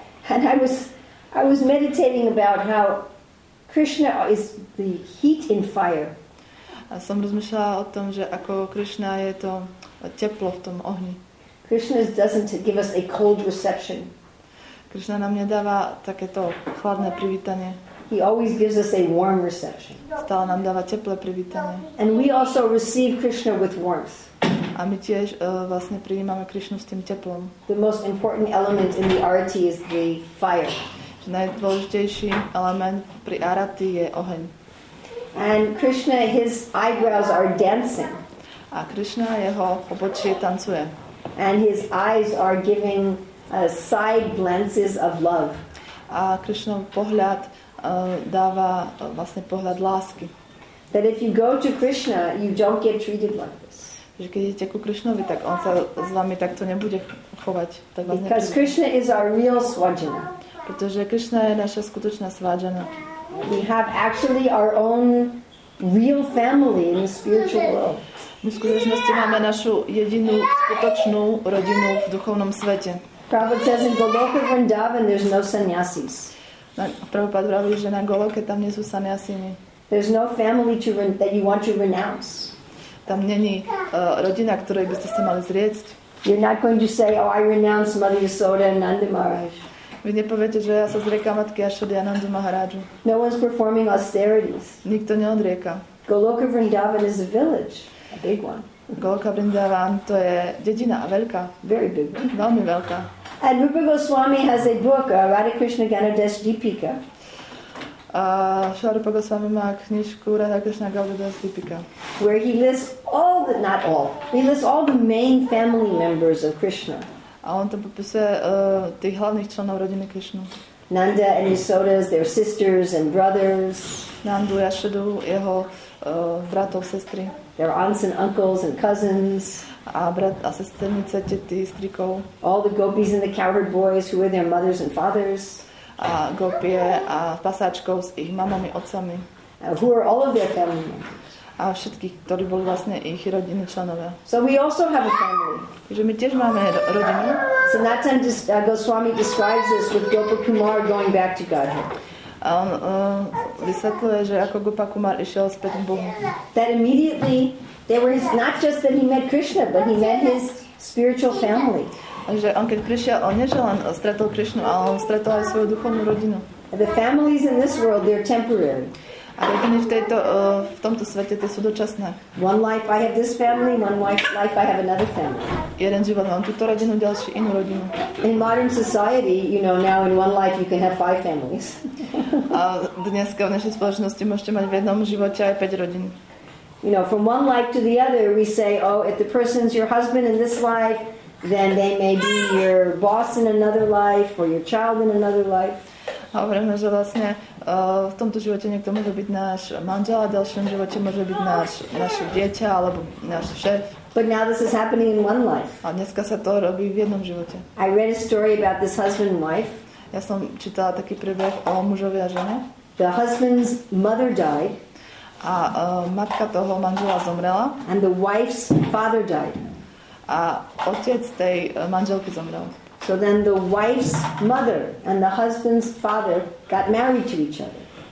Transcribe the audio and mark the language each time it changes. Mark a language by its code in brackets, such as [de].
[en] And I was meditating about how Krishna is the heat in fire. [sk] A som rozmýšľala o tom, že ako Krishna je to teplo v tom ohni. [en] Krishna doesn't give us a cold reception. [sk] Krishna nám nedáva takéto chladné privítanie. [en] He always gives us a warm reception. [sk] Stále nám dáva teplé privítanie. [en] And we also receive Krishna with warmth. [sk] A my tiež vlastne prijímame Krishnu s tým teplom. [en] The most important element in the arati is the fire. [sk] Že najdôležitejší element pri arati je oheň. [en] And Krishna, his eyebrows are dancing. [sk] A Krishna, jeho obočie tancuje. [en] And his eyes are giving side glances of love. [sk] A Krishna pohľad dáva vlastne pohľad lásky. [en] That if you go to Krishna, you don't get treated like this. [sk] že keď idete ku Krišnovi, tak on sa s vami takto nebude chovať. Tak vás [en] Because Krishna is our real svajana. [sk] Pretože Krišna je naša skutočná svajana. [en] We have actually our own real family in the spiritual world. [sk] My v skutočnosti máme našu jedinú skutočnú rodinu v duchovnom svete. [en] Prabhupada says in Goloka Vrindavan there's no sannyasis. [sk] Prabhupada vraví, že na Goloke tam nie sú sannyasini. [en] There's no family to that you want to renounce. [sk] Tam není rodina, ktorej by ste sa mali zriecť. [en] You're not going to say, oh, I renounce Mother Yasoda and Nanda Maharaj. [sk] Vy nepoviete, že ja sa zriekam matky Yashody a Nandu Maharaju. [en] No one's performing austerities. [sk] Nikto neodrieka. [en] Goloka Vrindavan is a village. A big one. [sk] Goloka Vrindavan, to je dedina a veľká. [en] Very big. [sk] Veľmi veľká. [en] And Rupa Goswami has a book, Radha Krishna Ganadesh Deepika. [sk] Shri Rupa Goswami má knižku Radha Krishna Ganadesh Deepika. [en] Where he lists all the, not all, he lists all the main family members of Krishna. [sk] A on tam popisuje tých hlavných členov rodiny Krishna. [en] Nanda and Yasoda's, their sisters and brothers. [sk] Nandu, Yashodu, jeho bratov, sestry. [en] Their aunts and uncles and cousins. [sk] A brat a sesternice, tety, strikov. [en] All the gopis and the cowherd boys who were their mothers and fathers. [sk] A gopie a pasáčkov s ich mamami, otcami. [en] Who are all of their family members. [sk] A všetky, ktorí boli vlastne ich rodiny členovia. [en] So we also have a family. [sk] Takže my tiež máme rodinu. [en] So that time Goswami describes this with Gopakumar going back to Godhead. [sk] A on vysvetľuje, že ako Gopakumar išiel späť k Bohu. [en] That immediately there was not just that he met Krishna, but he met his spiritual family. [sk] Takže on keď prišiel, on nie že len stretol Krishnu, ale on stretol aj svoju duchovnú rodinu. [en] And the families in this world, they're temporary. [sk] A rodiny v tejto, v tomto svete, to sú dočasné. [en] One life I have this family, one life I have another family. [sk] Jeden život mám túto rodinu, ďalší inú rodinu. [en] In modern society, you know, now in one life you can have five families. [sk] A dneska v našej spoločnosti môžete mať v jednom živote aj 5 rodín. [en] You know, from one life to the other, we say, oh, if the person's your husband in this life, then they may be your boss in another life, or your child in another life. [sk] A hovoríme, že vlastne v tomto živote niekto môže byť náš manžel a v ďalšom živote môže byť naše dieťa alebo náš šéf. [en] But now this is happening in one life. [sk] A dneska sa to robí v jednom živote. [en] I read a story about this husband and wife. [sk] Ja som čítala taký príbeh o mužovi a žene. [en] The husband's mother died. [sk] A matka toho manžela zomrela. [en] And the wife's father died. [sk] A otec tej manželky zomrel. [en] So then the wife's mother and the husband's father got married to each other.